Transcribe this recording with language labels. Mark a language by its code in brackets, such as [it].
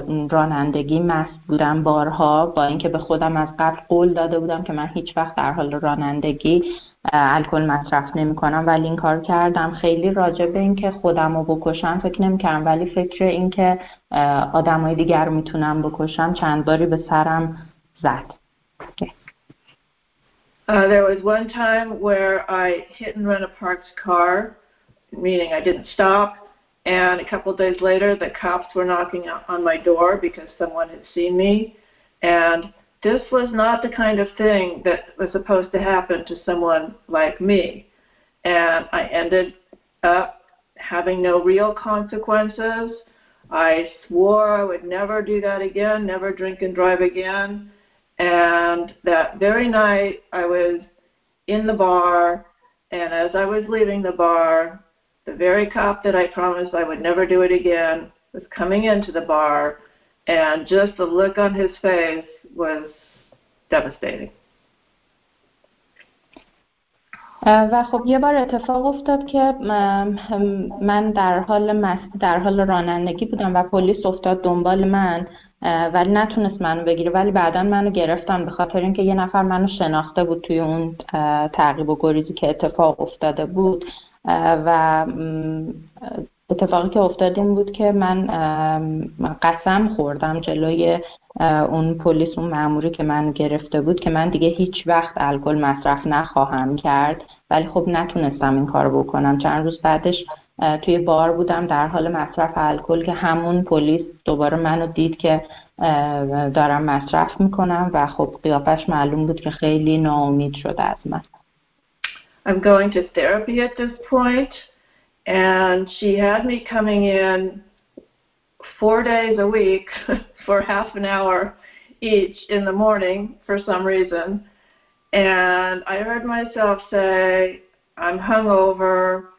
[fa] رانندگی مست بودم بارها با اینکه به خودم از قبل قول داده بودم که من هیچ وقت در حال رانندگی الکل مصرف نمی کنم ولی این کار کردم. خیلی راجع به این که خودم رو بکشم فکر نمی کنم ولی فکر این که آدم های دیگر می تونم بکشم چند باری به سرم زد. [en] There was one time where I hit and run a parked car, meaning I didn't stop, and a couple of days later the cops were knocking on my door because someone had seen me, and this was not the kind of thing that was supposed to happen to someone like me, and I ended up having no real consequences. I swore I would never do that again, never drink and drive again. And that very night, I was in the bar, and as I was leaving the bar, the very cop that I promised I would never do it again was coming into the bar, and just the look on his face was devastating. [fa] و خب یه بار اتفاق افتاد که من در حال رانندگی بودم و پلیس افتاد دنبال من ولی نتونست منو بگیره ولی بعدا منو گرفتن به خاطر اینکه یه نفر منو شناخته بود توی اون تعقیب و گریزی که اتفاق افتاده بود و اتفاقی که افتاد این بود که من قسم خوردم جلوی اون پلیس اون ماموری که من گرفته بود که من دیگه هیچ وقت الکل مصرف نخواهم کرد ولی خب نتونستم این کارو بکنم. چند روز بعدش توی بار بودم در حال مصرف الکل که همون پلیس دوباره منو دید که دارم مصرف میکنم و خب قیافش معلوم بود که خیلی ناامید شده از من. [en] I'm going to therapy at this point and she had me coming in 4 days a week for half an hour each in the morning for some reason. And I heard myself say, I'm hungover.